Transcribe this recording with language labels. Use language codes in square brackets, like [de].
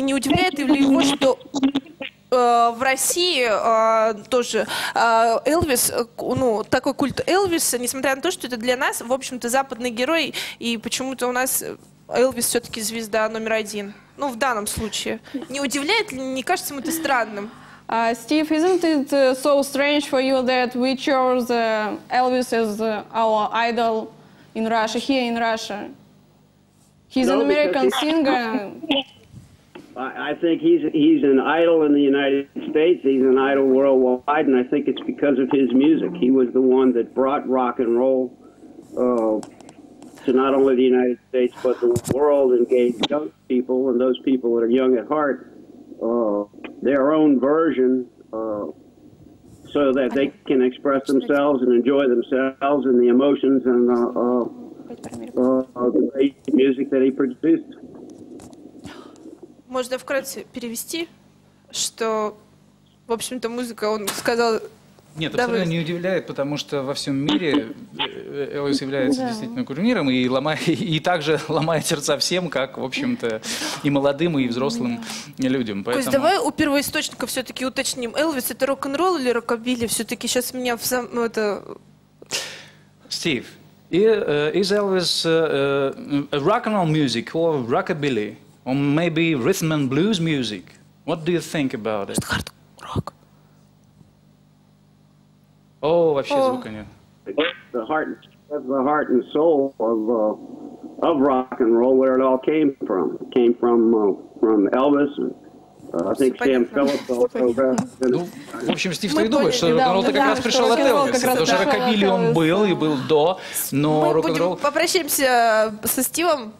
[ru] Не удивляет ли его, что в России тоже Элвис, ну, такой культ Элвиса, несмотря на то, что это для нас, в общем-то, западный герой, и почему-то у нас Элвис все-таки звезда номер один. Ну, в данном случае. Не удивляет ли, не кажется ему это странным? [en] Steve, isn't it so strange for you that we chose Elvis as our idol in Russia, here in Russia? He's an American singer. I think he's an idol in the United States. He's an idol worldwide, and I think it's because of his music. He was the one that brought rock and roll to not only the United States, but the world, and gave young people, and those people that are young at heart, their own version, so that they can express themselves and enjoy themselves and the emotions and the great music that he produced. [ru] Можно вкратце перевести, что, в общем-то, музыка, он сказал... Нет, абсолютно не удивляет, потому что во всем мире Элвис является действительно кумиром и также ломает сердца всем, как, в общем-то, и молодым, и взрослым людям. Поэтому... Кость, давай у первоисточника все-таки уточним. Элвис – это рок-н-ролл или рокобили? Все-таки сейчас меня в сам... Это... [en] Стив, is Elvis rock-n-roll music or rockabilly? Or maybe rhythm and blues music? What do you think about it? [ru] Хард-рок. Oh, вообще звука нет. [en] The heart and soul of rock and roll, where it all came from. It came from Elvis, I think Sam Phillips also. [ru] Ну, в общем, Стив, ты думаешь, что рок-н-ролл как раз пришел от Элвиса. Тоже рокобили он был, и был до, но рок-н-ролл... Мы будем попрощаемся со Стивом.